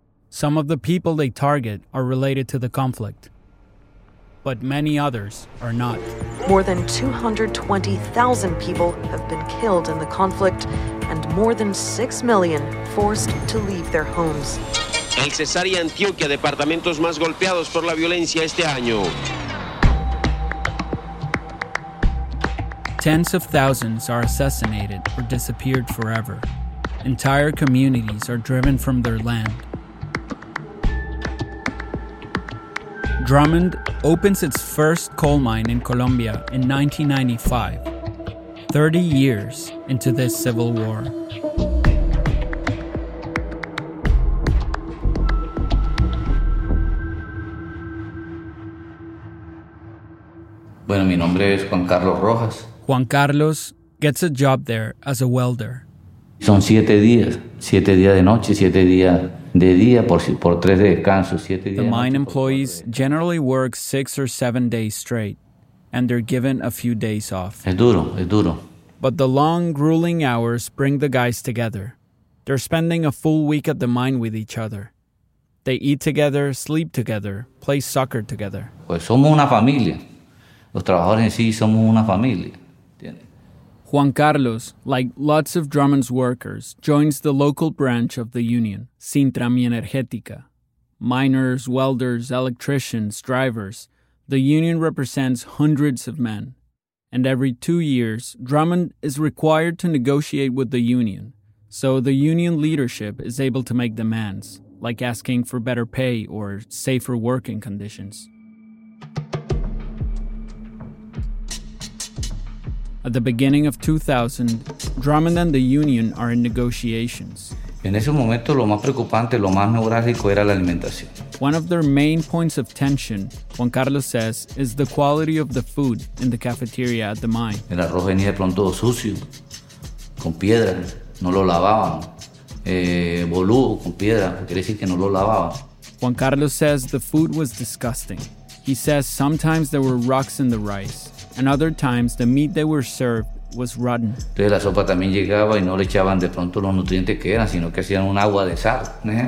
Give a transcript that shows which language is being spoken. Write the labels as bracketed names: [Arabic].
[English] Some of the people they target are related to the conflict. but many others are not. More than 220,000 people have been killed in the conflict, and more than 6 million forced to leave their homes. [Spanish] El Cesar y Antioquia, departamentos más golpeados por la violencia este año. [English] Tens of thousands are assassinated or disappeared forever. Entire communities are driven from their land. Drummond opens its first coal mine in Colombia in 1995, 30 years into this civil war. [Spanish] Bueno, mi nombre es Juan Carlos Rojas. [English] Juan Carlos gets a job there as a welder. [Spanish] Son siete días de noche, siete días de día por tres de descanso. Siete [English] the mine employees generally work 6 or 7 days straight, and they're given a few days off. [Spanish] Es duro, es duro. [English] But the long, grueling hours bring the guys together. They're spending a full week at the mine with each other. They eat together, sleep together, play soccer together. [Spanish] Pues somos una familia. Los trabajadores en sí somos una familia. [English] Juan Carlos, like lots of Drummond's workers, joins the local branch of the union, Sintra Mi Energética. Miners, welders, electricians, drivers, the union represents hundreds of men. And every 2 years, Drummond is required to negotiate with the union, so the union leadership is able to make demands, like asking for better pay or safer working conditions. At the beginning of 2000, Drummond and the union are in negotiations. [Spanish] En ese momento, lo más preocupante, lo más neurálgico era la alimentación. [English] One of their main points of tension, Juan Carlos says, is the quality of the food in the cafeteria at the mine. [Spanish] El arroz venía de pronto sucio, con piedra, no lo lavaban. Boludo, con piedra, quiere decir que no lo lavaban. [English] Juan Carlos says the food was disgusting. He says sometimes there were rocks in the rice. And other times, the meat they were served was rotten. [Spanish] Entonces la sopa también llegaba y no le echaban de pronto los nutrientes que eran, sino que hacían un agua de sal.